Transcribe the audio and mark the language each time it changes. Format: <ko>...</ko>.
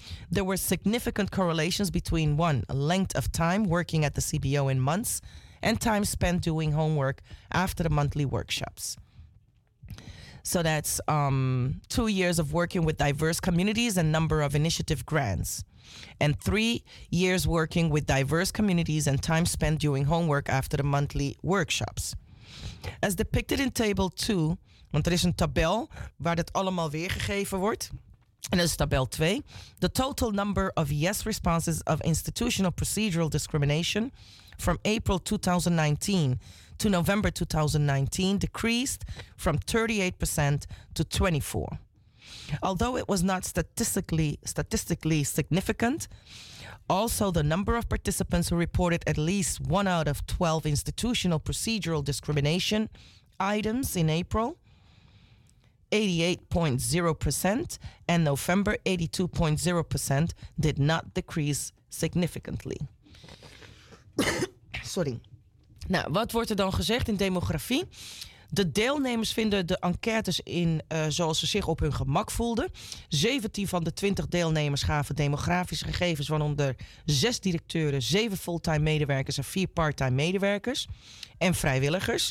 <en>There were significant correlations between 1, length of time working at the CBO in months, and time spent doing homework after the monthly workshops. So that's 2 years of working with diverse communities and number of initiative grants, and 3 years working with diverse communities and time spent doing homework after the monthly workshops. As depicted in Table 2,</en> <nl>want er is een tabel waar dat allemaal weergegeven wordt. En dat is tabel 2.</nl> <en>The total number of yes responses of institutional procedural discrimination from April 2019 to November 2019 decreased from 38% to 24%. Although it was not statistically significant, also the number of participants who reported at least 1 out of 12 institutional procedural discrimination items in April, 88.0%, and November 82.0%, did not decrease significantly. Sorry.</en> <nl>Nou, wat wordt er dan gezegd in demografie? De deelnemers vinden de enquêtes in zoals ze zich op hun gemak voelden. 17 van de 20 deelnemers gaven demografische gegevens, waaronder 6 directeuren, 7 fulltime medewerkers en 4 parttime medewerkers en vrijwilligers.</nl>